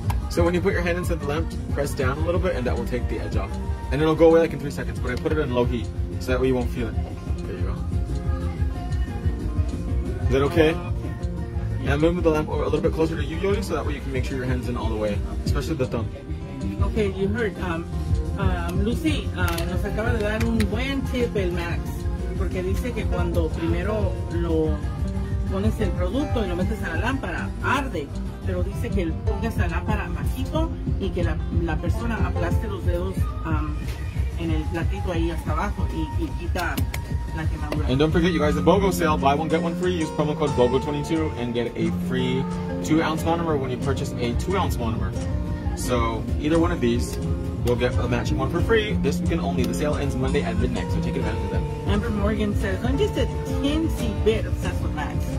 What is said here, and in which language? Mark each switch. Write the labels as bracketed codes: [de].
[en] So when you put your hand inside the lamp, press down a little bit and that will take the edge off. And it'll go away like in 3 seconds, but I put it in low heat so that way you won't feel it. There you go. Is that okay? And move the lamp a little bit closer to you, Yoli, so that way you can make sure your hand's in all the way, especially the thumb. Okay, you heard. [es] Lucy, nos acaba de dar un buen tip el Max, porque dice que cuando primero lo pones el producto y lo metes a la lámpara, arde, pero dice que pongas la lámpara bajito y que la persona aplaste los dedos en el platito ahí hasta abajo y quita... [en] And don't forget, you guys, the BOGO sale, buy one, get one free, use promo code BOGO22 and get a free 2-ounce monomer when you purchase a 2-ounce monomer. So either one of these, you'll get a matching one for free. This weekend only. The sale ends Monday at midnight, so take advantage of that. Amber Morgan says, I'm just a teensy bit obsessed with Max.